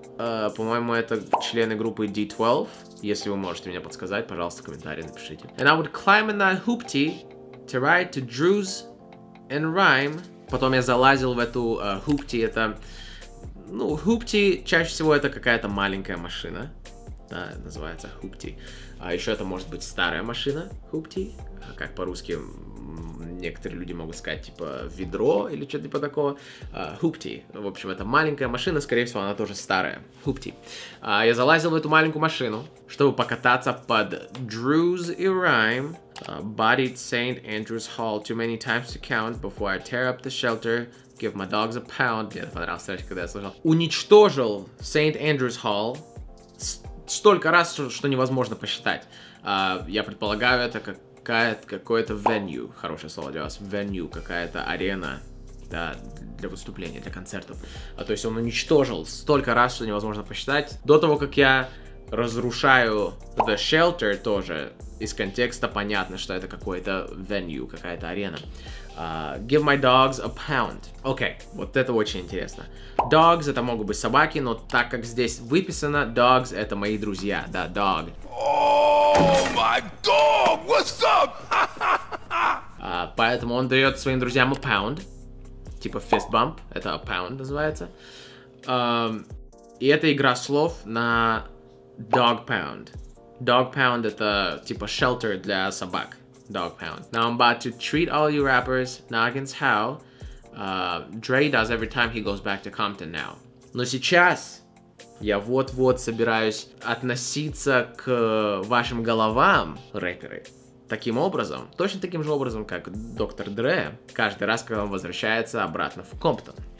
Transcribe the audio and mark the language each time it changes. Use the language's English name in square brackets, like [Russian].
[Russian] По-моему, это члены группы D12. Если вы можете меня подсказать, пожалуйста, комментарии напишите. [English] And I would climb in that hoopty to ride to Drew's and rhyme. [Russian] Потом я залазил в эту hoopty. Это, ну, hoopty чаще всего это какая-то маленькая машина. Да, называется hoopty. А еще это может быть старая машина, hoopty. Как по-русски некоторые люди могут сказать, типа, ведро или что-то типа такого. [English] Hoopty. [Russian] В общем, это маленькая машина, скорее всего, она тоже старая. [English] Hoopty. [Russian] Я залазил в эту маленькую машину, чтобы покататься под Drew's и Rhyme. [English] Bodied St. Andrew's Hall too many times to count before I tear up the shelter, give my dogs a pound. [Russian] Мне это понравилось, когда я слышал. Уничтожил St. Andrew's Hall столько раз, что невозможно посчитать. Я предполагаю, это как какое-то venue, хорошее слово для вас, venue, какая-то арена, да, для выступления, для концертов. А то есть он уничтожил столько раз, что невозможно посчитать. До того, как я разрушаю [English] the shelter [Russian] тоже, из контекста понятно, что это какое-то venue, какая-то арена. [English] Give my dogs a pound. [Russian] Окей, вот это очень интересно. Dogs — это могут быть собаки, но так как здесь выписано, dogs — это мои друзья, да, dog. [English] Oh my dog, what's up? [Russian] Поэтому он дает своим друзьям a pound, типа fist bump, это a pound называется. И это игра слов на dog pound. Dog pound — это типа shelter для собак. [English] Dog pound. Now I'm about to treat all you rappers noggins how Dre does every time he goes back to Compton now. [Russian] Но сейчас я вот-вот собираюсь относиться к вашим головам, рэперы, таким образом, точно таким же образом, как доктор Dre каждый раз, когда он возвращается обратно в Комптон.